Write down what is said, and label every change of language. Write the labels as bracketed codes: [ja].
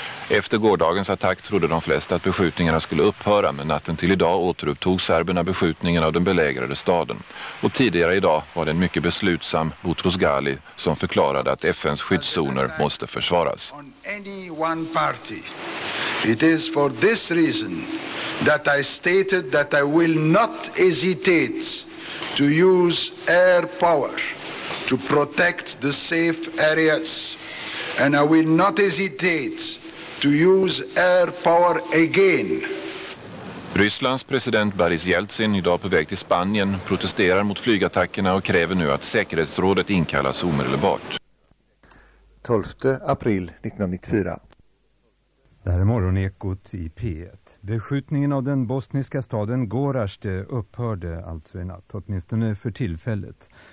[sv] Efter gårdagens attack trodde de flesta att beskjutningarna skulle upphöra, men natten till idag återupptog serberna beskjutningen av den belägrade staden. Och tidigare idag var det en mycket beslutsam Boutros Ghali som förklarade att FNs skyddszoner måste försvaras. [en] It is for this reason that I stated that I will not hesitate to use air power to protect the safe areas, and I will not hesitate to use air power again. [sv] Rysslands president Boris Jeltsin, idag på väg till Spanien, protesterar mot flygattackerna och kräver nu att säkerhetsrådet inkallas omedelbart. 12 april 1994. Det här är morgonekot i P1. Beskjutningen av den bosniska staden Gorazde upphörde alltså i natt, åtminstone för tillfället.